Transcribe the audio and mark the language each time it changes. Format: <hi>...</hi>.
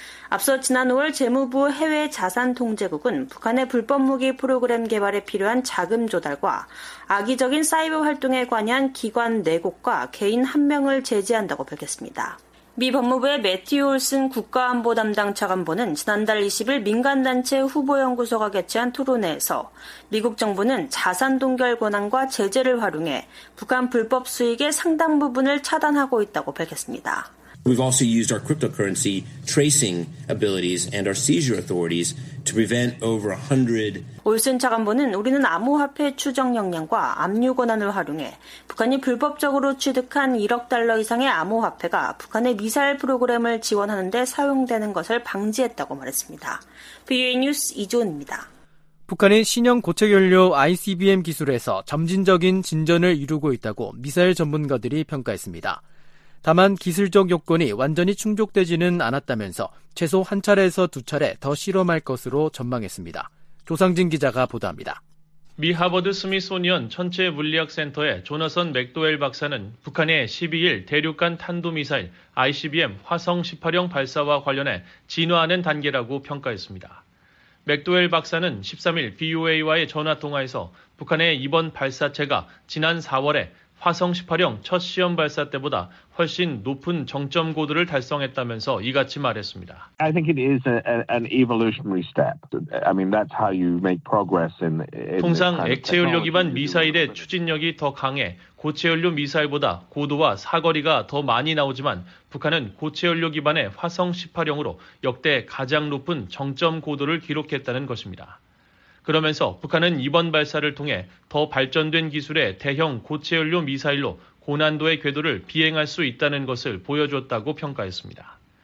<ko>앞서 지난 5월 재무부 해외자산통제국은 북한의 불법 무기 프로그램 개발에 필요한 자금 조달과 악의적인 사이버 활동에 관여한 기관 4곳과 개인 1명을 제재한다고 밝혔습니다. 미 법무부의 매튜 올슨 국가안보 담당 차관보는 지난달 20일 민간단체 후보연구소가 개최한 토론회에서 미국 정부는 자산 동결 권한과 제재를 활용해 북한 불법 수익의 상당 부분을 차단하고 있다고 밝혔습니다.</ko> <en>We've also used our cryptocurrency tracing abilities and our seizure authorities to prevent over 100.</en> <ko>올슨 차관보는 우리는 암호화폐 추정 역량과 압류 권한을 활용해 북한이 불법적으로 취득한 1억 달러 이상의 암호화폐가 북한의 미사일 프로그램을 지원하는 데 사용되는 것을 방지했다고 말했습니다. VOA 뉴스 이지훈입니다. 북한이 신형 고체연료 ICBM 기술에서 점진적인 진전을 이루고 있다고 미사일 전문가들이 평가했습니다. 다만 기술적 요건이 완전히 충족되지는 않았다면서 최소 한 차례에서 두 차례 더 실험할 것으로 전망했습니다. 조상진 기자가 보도합니다. 미 하버드 스미소니언 천체 물리학 센터의 조나선 맥도웰 박사는 북한의 12일 대륙간 탄도미사일 ICBM 화성 18형 발사와 관련해 진화하는 단계라고 평가했습니다. 맥도웰 박사는 13일 BOA와의 전화통화에서 북한의 이번 발사체가 지난 4월에 화성 18형 첫 시험 발사 때보다 훨씬 높은 정점 고도를 달성했다면서 이같이 말했습니다.</ko> <en>I think it is an evolutionary step. I mean that's how you make progress in</en> <ko>통상 액체 연료 기반 미사일의 추진력이 더 강해 고체 연료 미사일보다 고도와 사거리가 더 많이 나오지만 북한은 고체 연료 기반의 화성 18형으로 역대 가장 높은 정점 고도를 기록했다는 것입니다. 그러면서 북한은 이번 발사를 통해 더 발전된 기술의 대형 고체연료 미사일로 고난도의 궤도를 비행할 수 있다는 것을 보여줬다고 평가했습니다.</ko>